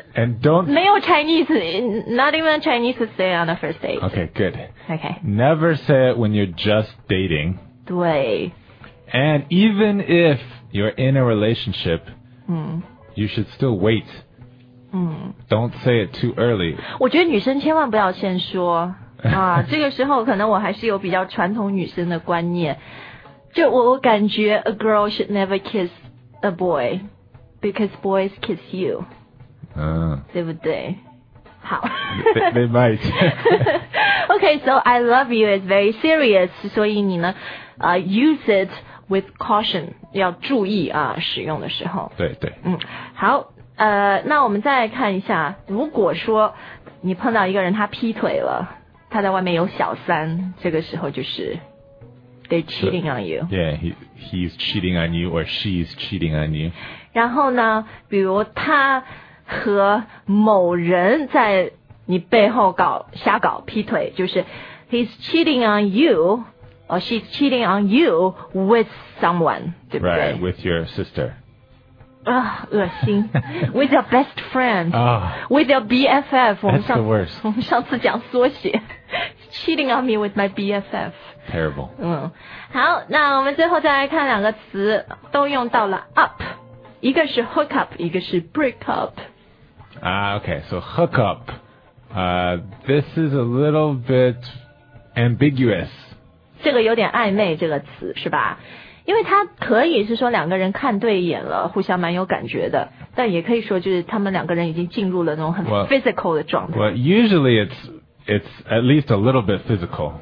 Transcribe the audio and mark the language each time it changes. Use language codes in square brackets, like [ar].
[en] And don't... [zh] 没有 [en] Chinese, not even Chinese to say on a first date. Okay, good. Okay. Never say it when you're just dating. [zh] 对。 [en] And even if you're in a relationship, you should still wait. Don't say it too early. [zh] 我觉得女生千万不要先说。啊，这个时候可能我还是有比较传统女生的观念，就我感觉 [en] a girl should never kiss a boy because boys kiss you， [zh] 嗯，对不对？好 [en] they might. Okay, so I love you is very serious， [zh] 所以你呢， [en] use it with caution， [zh] 要注意啊，使用的时候。对对。好，那我们再来看一下，如果说你碰到一个人他劈腿了。他在外面有小三，这个时候就是 [en] they're cheating on you. Yeah, he's cheating on you or she's cheating on you. [zh] 然后呢，比如他和某人在你背后搞瞎搞劈腿，就是 [en] he's cheating on you or she's cheating on you with someone, [zh] 对不对 [en] ？Right, with your sister. [zh] 啊，恶心 [en] ！With your best friend. With your BFF. That's the worst. [zh] 我们上次讲缩写。 [en] Cheating on me with my BFF. Terrible. [zh] 好，那我们最后再来看两个词，都用到了 up， 一个是 hook up， 一个是 break up. [en] Okay, so hook up. This is a little bit ambiguous. [zh] 这个有点暧昧，这个词是吧？因为它可以是说两个人看对眼了，互相蛮有感觉的，但也可以说就是他们两个人已经进入了那种很 physical 的状态。 [en] Well, usually it's at least a little bit physical.